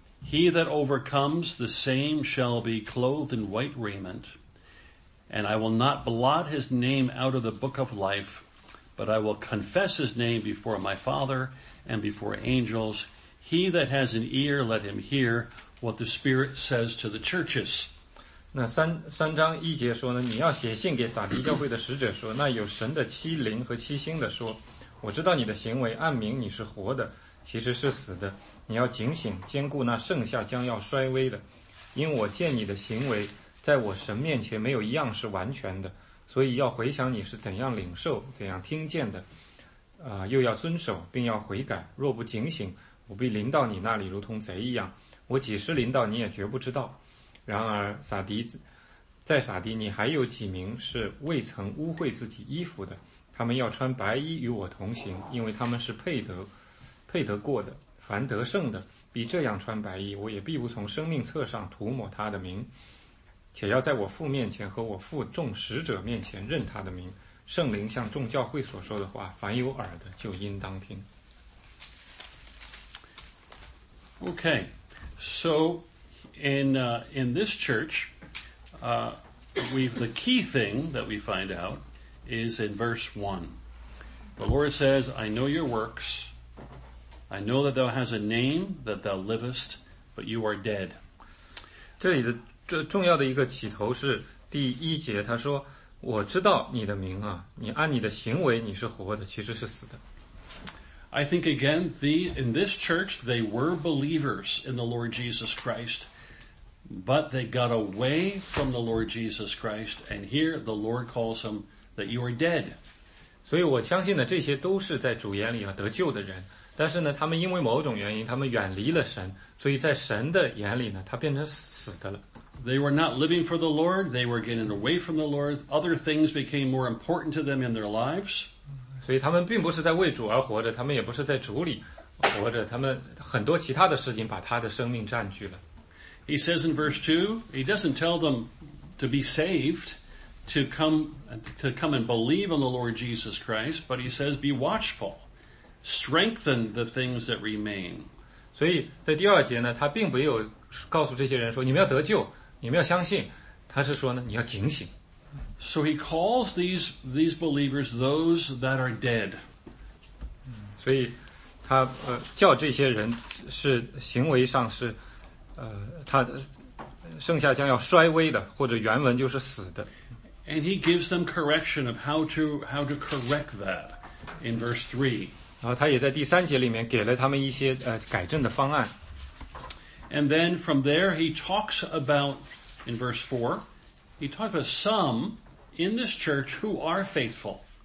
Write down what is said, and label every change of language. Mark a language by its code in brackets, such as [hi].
[en] He that overcomes, the same shall be clothed in white raiment, And I will not blot his name out of the book of life, but I will confess his name before my Father and before angels. He that has an ear, let him hear what the Spirit says to the churches. [zh] 那 三章一节说呢，你要写信给撒迪教会的使者说，那有神的七灵和七星的说，我知道你的行为，按明你是活的，其实是死的，你要警醒，兼顾那剩下将要衰微的，因我见你的行为在我神面前没有一样是完全的，所以要回想你是怎样领受，怎样听见的，又要遵守，并要悔改。若不警醒，我必临到你那里如同贼一样，我几时临到你也绝不知道。然而撒迪，在撒迪你还有几名是未曾污秽自己衣服的，他们要穿白衣与我同行，因为他们是配得过的。凡得胜的必这样穿白衣，我也必不从生命册上涂抹他的名，且要在我父面前和我父众使者面前认他的名。圣灵像众教会所说的话，凡有耳的就应当听。 [en] Okay, so in this church, the key thing that we find out is in verse 1. The Lord says, I know your works. I know that thou hast a name, that thou livest, but you are dead. [zh] 这里的重要的一个起头是第一节，他说，我知道你的名啊，你按你的行为你是活的，其实是死的。 [en] I think again, in this church, they were believers in the Lord Jesus Christ, but they got away from the Lord Jesus Christ, and here the Lord calls them that you are dead. [zh] 所以我相信呢，这些都是在主眼里啊得救的人，但是呢，他们因为某种原因，他们远离了神，所以在神的眼里呢，他变成死的了。 [en] They were not living for the Lord. They were getting away from the Lord. Other things became more important to them in their lives. [zh] 所以他们并不是在为主而活着，他们也不是在主里活着，他们很多其他的事情把他的生命占据了。 [en] He says in verse 2, he doesn't tell them to be saved, to come and believe on the Lord Jesus Christ, but he says, be watchful. Strengthen the things that remain. [zh] 所以在第二节呢，他并没有告诉这些人说，你们要得救。你们要相信，他是说呢，你要警醒。 [en] So he calls these believers those that are dead. [zh] 所以他叫这些人是行为上是他剩下将要衰微的，或者原文就是死的。 [en] And he gives them correction of how to correct that in verse 3. [zh] 然后他也在第三节里面给了他们一些改正的方案。 [en] And then from there, he talks about, in verse 4, he talks about some in this church who are faithful.